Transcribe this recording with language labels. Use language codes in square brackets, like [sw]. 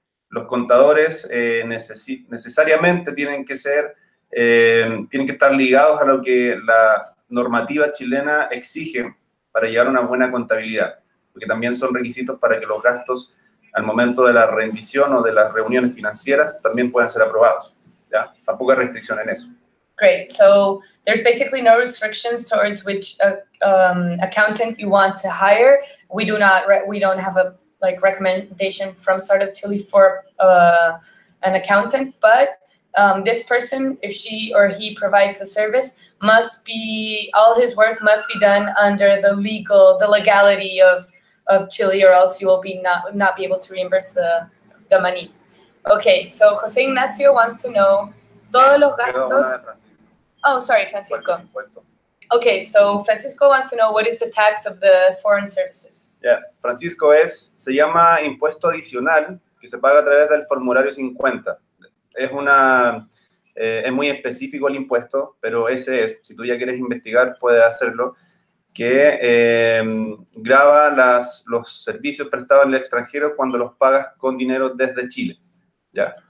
[es] Los contadores necesariamente tienen que ser, tienen que estar ligados a lo que la normativa chilena exige para llevar una buena contabilidad, porque también son requisitos para que los gastos al momento de la rendición o de las reuniones financieras también pueden ser aprobados. ¿Ya? Tampoco hay restricción en eso. [en] Great. So there's basically no restrictions towards which accountant you want to hire. We do not have a like recommendation from Startup Chile for an accountant, but this person, if she or he provides a service, all his work must be done under the legality of Chile, or else you will be not be able to reimburse the money. Okay, so Jose Ignacio wants to know, [es] todos los gastos... [en] Oh, sorry, Francisco. Okay, so Francisco wants to know, what is the tax of the foreign services? [es] Yeah, Francisco se llama impuesto adicional, que se paga a través del formulario 50. Es una, es muy específico el impuesto, pero ese es, si tú ya quieres investigar, puedes hacerlo, que graba los servicios prestados en el extranjero cuando los pagas con dinero desde Chile. ¿Ya?